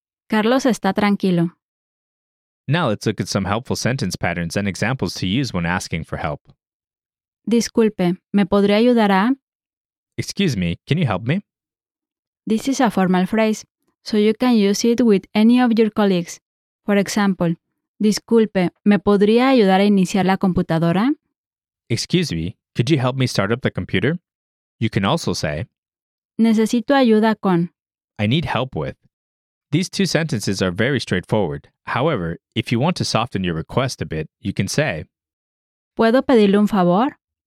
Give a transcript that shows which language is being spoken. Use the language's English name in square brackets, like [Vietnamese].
[Spanish] Carlos está tranquilo. [English] Now let's look at some helpful sentence patterns and examples to use when asking for help. [Spanish] Disculpe, ¿me podría ayudar a? [English] Excuse me, can you help me? This is a formal phrase, so you can use it with any of your colleagues. For example, [Spanish] disculpe, ¿me podría ayudar a iniciar la computadora? [English] Excuse me, could you help me start up the computer? You can also say, [Spanish] necesito ayuda con. [English] I need help with. These two sentences are very straightforward. However, if you want to soften your request a bit, you can say, [Spanish] ¿puedo pedirle un favor?